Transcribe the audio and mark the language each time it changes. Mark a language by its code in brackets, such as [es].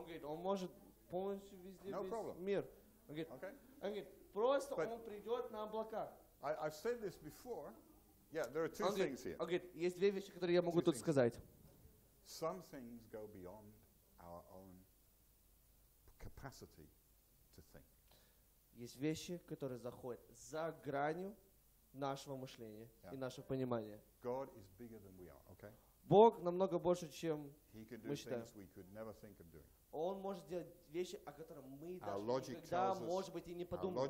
[ru] Okay, он может полностью везде весь мир. [en] Okay. [ru] Просто он придет на облака. [en] I've said this before. Yeah, there are two things here. [ru] Он говорит, есть две вещи, которые я могу тут сказать. [en] Some things go beyond our own capacity to think. [ru] Есть вещи, которые заходят за гранью нашего мышления и нашего понимания. [en] God is bigger than we are, okay? [ru] Бог намного больше, чем мы считаем. [en] Things we could never think of doing. [ru] Он может делать вещи, о которых мы даже никогда, может быть, и не подумали.